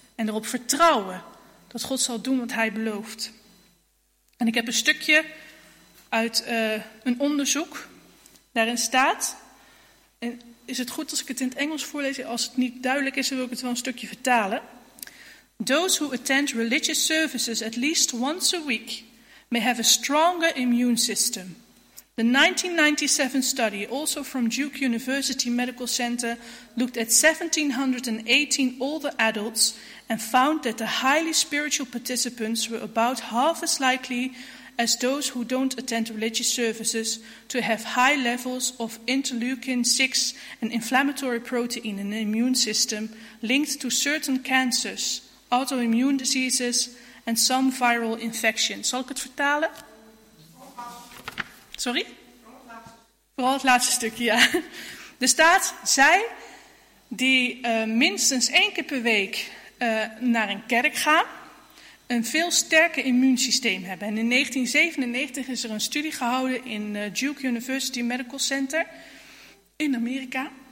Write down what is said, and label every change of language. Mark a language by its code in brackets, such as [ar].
[nl] En erop vertrouwen dat God zal doen wat hij belooft. En ik heb een stukje uit een onderzoek. Daarin staat, en is het goed als ik het in het Engels voorlees? Als het niet duidelijk is, dan wil ik het wel een stukje vertalen. [en] Those who attend religious services at least once a week may have a stronger immune system. The 1997 study, also from Duke University Medical Center, looked at 1,718 older adults and found that the highly spiritual participants were about half as likely as those who don't attend religious services to have high levels of interleukin-6, an inflammatory protein in the immune system, linked to certain cancers, autoimmune diseases and some viral infections. [nl] Zal ik het vertalen? Sorry? Vooral het laatste stukje, ja. Er staat, zij die minstens één keer per week naar een kerk gaan, een veel sterker immuunsysteem hebben. En in 1997 is er een studie gehouden in Duke University Medical Center in Amerika.